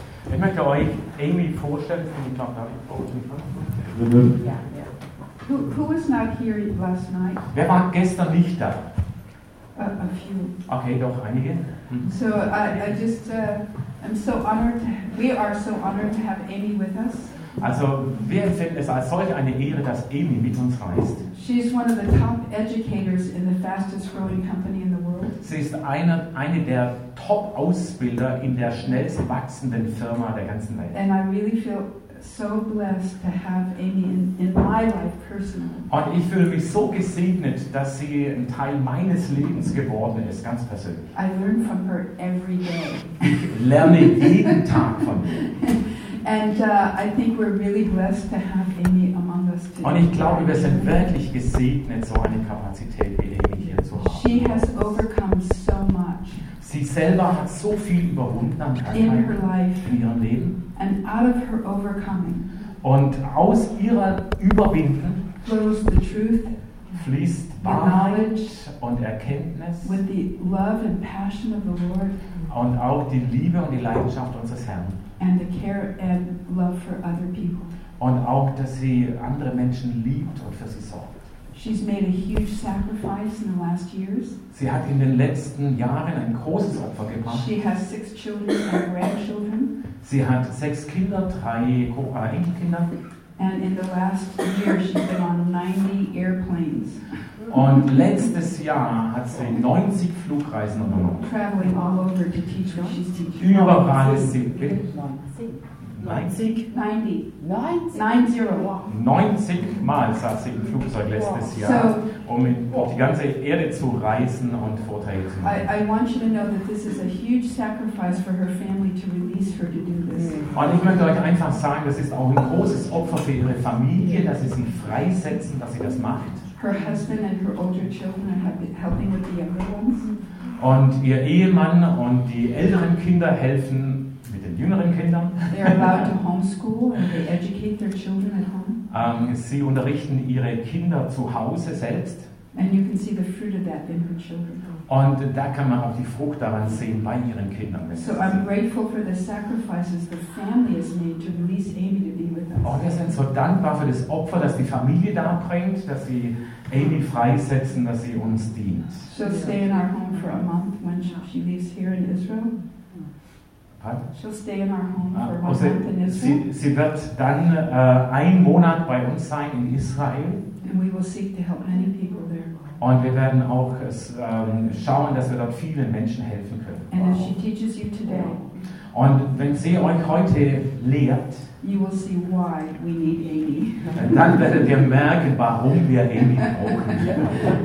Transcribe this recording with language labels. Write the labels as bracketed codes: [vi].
[de] Ich möchte euch Amy vorstellen. [en] Can you talk to me first? Yeah. Who was not here last night? [de] Wer war gestern nicht da? [en] A few. [de] Okay, doch einige. [en] So I'm so honored. We are so honored to have Amy with us. [de] Also, wir empfinden es als solch eine Ehre, dass Amy mit uns reist. [en] She is one of the top educators in the fastest growing company in the world. [de] Sie ist eine der Top Ausbilder in der schnellst wachsenden Firma der ganzen Welt. [en] And I really feel so blessed to have Amy in my life personally. [de] Und ich fühle mich so gesegnet, dass sie ein Teil meines Lebens geworden ist, ganz persönlich. [en] I learn from her every day. [de] Ich lerne jeden Tag von ihr. [en] I think we're really blessed to have Amy among us today. [de] Und ich glaube, wir sind wirklich gesegnet, so eine Kapazität wie Amy hier zu haben. [en] She has overcome so much. [de] Sie selber hat so viel überwunden an [en] in her life. [de] In ihrem Leben. [en] And out of her overcoming, [de] und aus ihrer Überwinden [en] flows the truth, [de] fließt Wahrheit und Erkenntnis [en] with the love and passion of the Lord, [de] und auch die Liebe und die Leidenschaft unseres Herrn [en] and the care and love for other people, [de] und auch, dass sie andere Menschen liebt und für sie sorgt. [en] She's made a huge sacrifice in the last years. [de] Sie hat in den letzten Jahren ein großes Opfer gebracht. [en] She has 6 children and grandchildren. [de] Sie hat 6 Kinder, 3 Enkelkinder. [en] And in the last year she's been on 90 airplanes. [de] Und letztes Jahr hat sie 90 Flugreisen unternommen. [en] Traveling all over to teach what she's teaching. [de] Überall ist sie. 90 Mal saß sie im Flugzeug letztes Jahr, um auf die ganze Erde zu reisen und Vorträge zu machen. [en] I want you to know that this is a huge sacrifice for her family to release her to do this. [de] Und ich möchte euch einfach sagen, das ist auch ein großes Opfer für ihre Familie, dass sie sie freisetzen, dass sie das macht. [en] Her husband and her older children have been helping with the younger ones. [de] Und ihr Ehemann und die älteren Kinder helfen mit den jüngeren Kindern. [en] They are allowed to homeschool and they educate their children at home. [de] Sie unterrichten ihre Kinder zu Hause selbst. [en] And you can see the fruit of that in her children. [de] Und da kann man auch die Frucht daran sehen bei ihren Kindern. [en] So I'm grateful for the sacrifices the family has made to release Amy to be with us. [de] Und wir sind so dankbar für das Opfer, das die Familie da bringt, dass sie Amy freisetzen, dass sie uns dient. [en] She'll stay in our home for a month when she leaves here in Israel. She'll stay in our home for one month in Israel. [de] Sie wird dann ein Monat bei uns sein in Israel. [en] And we will seek to help many people there. [de] Und wir werden auch schauen, dass wir dort vielen Menschen helfen können. [en] And wow. If she teaches you today, [de] und wenn sie euch heute lehrt, [en] you will see why we need Amy. [de] Dann werdet ihr merken, warum wir Amy brauchen.